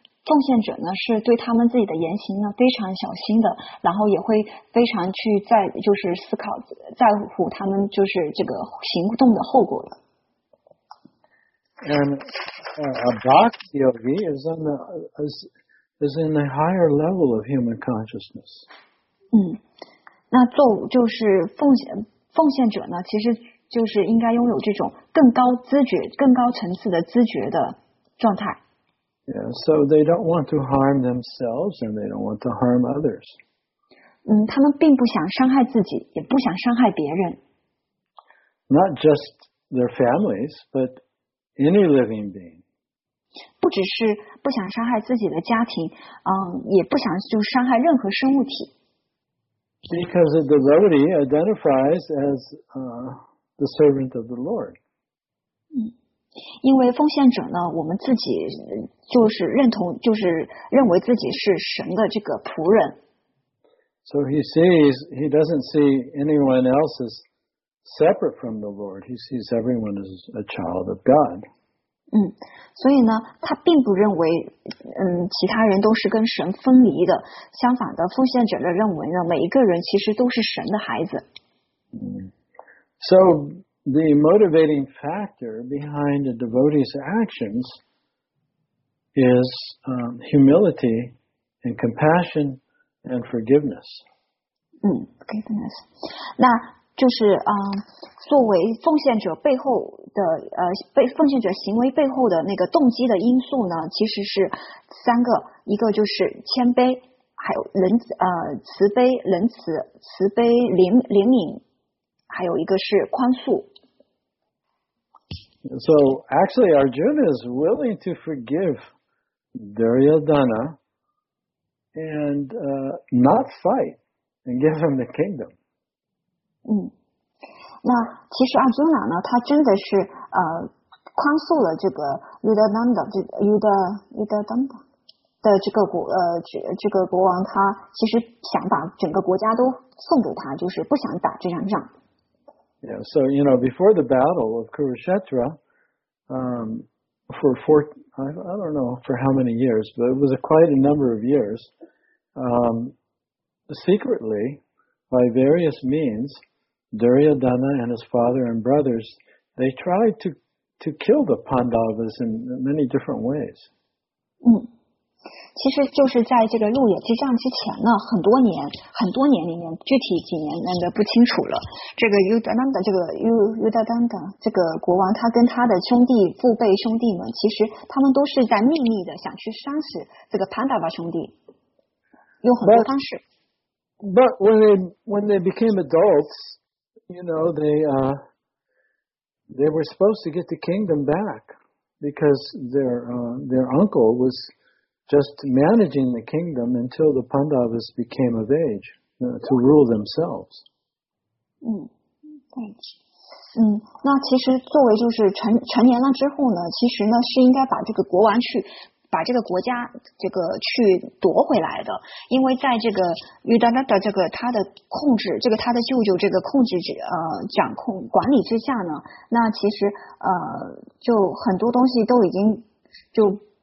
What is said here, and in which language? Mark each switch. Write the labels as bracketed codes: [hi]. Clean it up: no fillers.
[zh] 奉献者呢是对他们自己的言行呢非常小心的，然后也会非常去在就是思考在乎他们就是这个行动的后果的。 [en] And a bhakti yogi is in the higher level of human consciousness. [zh] 那做就是奉献者呢，其实就是应该拥有这种更高知觉、更高层次的知觉的状态。 [en] Yeah, so they don't want to harm themselves and they don't want to harm others. [zh] 他们并不想伤害自己，也不想伤害别人。 [en] Not just their families, but any living being. [zh] 不只是不想伤害自己的家庭，也不想就伤害任何生物体。 [en] Because a devotee identifies as the servant of the Lord. [zh] 因为奉献者呢，我们自己就是认同，就是认为自己是神的这个仆人。 [en] So he sees, he doesn't see anyone else as separate from the Lord. He sees everyone as a child of God. [zh] 所以呢，他并不认为，其他人都是跟神分离的。相反的，奉献者呢认为呢，每一个人其实都是神的孩子。 [en] So. The motivating factor behind a devotee's actions is humility and compassion and forgiveness. Forgiveness. [zh] 那就是作为奉献者背后的被奉献者行为背后的那个动机的因素呢，其实是三个，一个就是谦卑，还有慈悲仁慈，慈悲怜悯，还有一个是宽恕。 [en] So actually, Arjuna is willing to forgive Duryodhana and not fight and give him the kingdom. [zh] 那其实 Arjuna 呢，他真的是宽恕了这个 Yudhananda 这个 Yudhananda 的这个国这个国王，他其实想把整个国家都送给他，就是不想打这场仗。 [en] Yeah, so you know, before the battle of Kurukshetra, for four, I don't know for how many years, but it was a quite a number of years. Secretly, by various means, Duryodhana and his father and brothers, they tried to kill the Pandavas in many different ways. [zh] 其实就是在这个鹿野之战之前呢，很多年很多年里面，具体几年那个不清楚了。这个 Yudhananda 这个 Yudhananda 这个国王，他跟他的兄弟父辈兄弟们，其实他们都是在秘密的想去杀死这个 Pandava 兄弟，用很多方式。 [en] But when they became adults, you know, they were supposed to get the kingdom back because their uncle was. Just managing the kingdom until the Pandavas became of age to rule themselves. [zh] 那其实作为就是成年了之后呢，其实呢是应该把这个国王去把这个国家这个去夺回来的，因为在这个 Yudhananda 这个他的控制，这个他的舅舅这个控制掌控管理之下呢，那其实就很多东西都已经就。